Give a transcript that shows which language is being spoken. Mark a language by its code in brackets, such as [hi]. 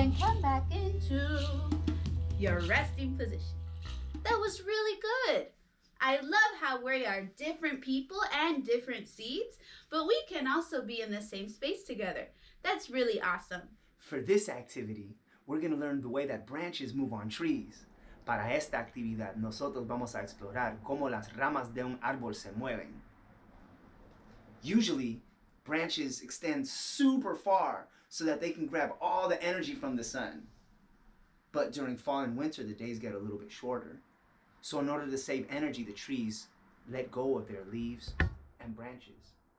[en] And come back into your resting position. That was really good. I love how we are different people and different seeds, but we can also be in the same space together. That's really awesome. For this activity, we're gonna learn the way that branches move on trees. [es] Para esta actividad, nosotros vamos a explorar cómo las ramas de un árbol se mueven. [en] Usually, branches extend super far so that they can grab all the energy from the sun. But during fall and winter, the days get a little bit shorter. So in order to save energy, the trees let go of their leaves and branches.